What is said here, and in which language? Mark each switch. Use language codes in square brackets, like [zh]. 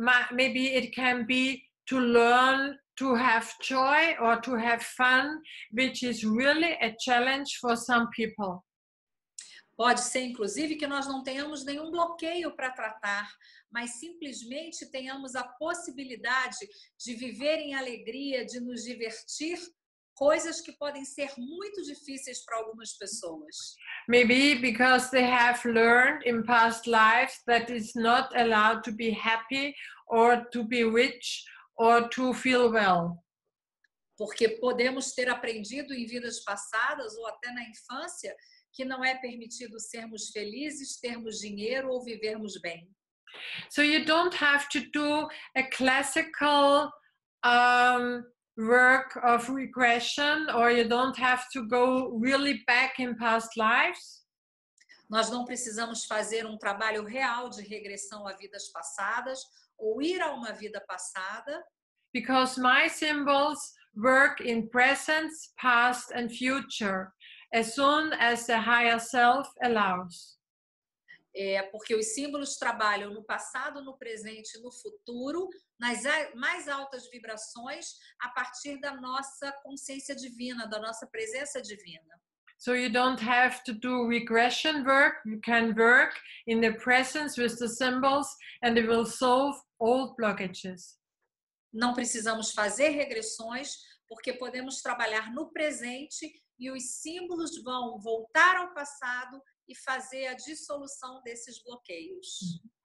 [en] Maybe it can be to learn to have joy or to have fun, which is really a challenge for some people. [pt] Pode ser, inclusive, que nós não tenhamos nenhum bloqueio para tratar, mas simplesmente tenhamos a possibilidade de viver em alegria, de nos divertir, coisas que podem ser muito difíceis para algumas pessoas. [en] Maybe because they have learned in past lives that it's not allowed to be happy or to be rich or to feel well. [pt] Porque podemos ter aprendido em vidas passadas ou até na infância que não é permitido sermos felizes, termos dinheiro ou vivermos bem. [en] So you don't have to do a classical work of regression, or you don't have to go really back in past lives. [pt] Nós não precisamos fazer um trabalho real de regressão a vidas passadas ou ir a uma vida passada. [en] Because my symbols work in presence, past and future, as soon as the higher self allows. [pt] É porque os símbolos trabalham no passado, no presente e no futuro, nas mais altas vibrações, a partir da nossa consciência divina, da nossa presença divina. [en] So you don't have to do regression work, you can work in the presence with the symbols and it will solve old blockages. [pt] Não precisamos fazer regressões, porque podemos trabalhar no presente e os símbolos vão voltar ao passado e fazer a dissolução desses bloqueios.